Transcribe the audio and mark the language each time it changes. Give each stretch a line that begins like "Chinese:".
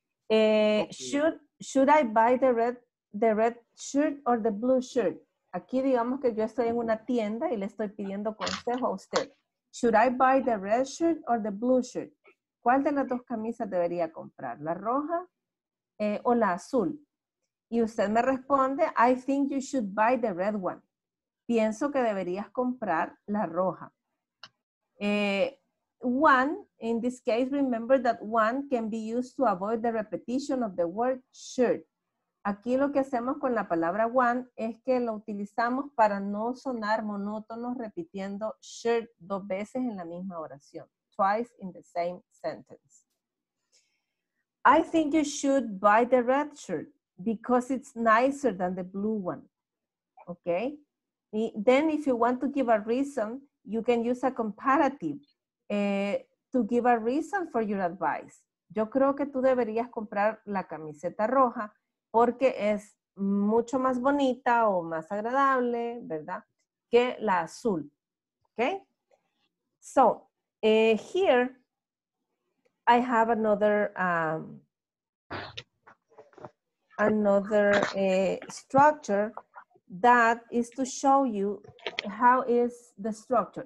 English: Should I buy the red shirt or the blue shirt?
Spanish: Aquí digamos que yo estoy en una tienda y le estoy pidiendo consejo a usted.
English: Should I buy the red shirt or the blue shirt?
Spanish: ¿Cuál de las dos camisas debería comprar? ¿La roja o la azul? Y usted me responde,
English: I think you should buy the red one.
Spanish: Pienso que deberías comprar la roja.
English: One, in this case, remember that one can be used to avoid the repetition of the word shirt.
Spanish: Aquí lo que hacemos con la palabra one es que lo utilizamos para no sonar monótonos repitiendo shirt dos veces en la misma oración.
English: Twice in the same sentence. I think you should buy the red shirt because it's nicer than the blue one. Okay? Then if you want to give a reason, you can use a comparative to give a reason for your advice.
Spanish: Yo creo que tú deberías comprar la camiseta roja porque es mucho más bonita o más agradable, ¿verdad? Que la azul, okay?
English: So, here I have another structure that is to show you how is the structure.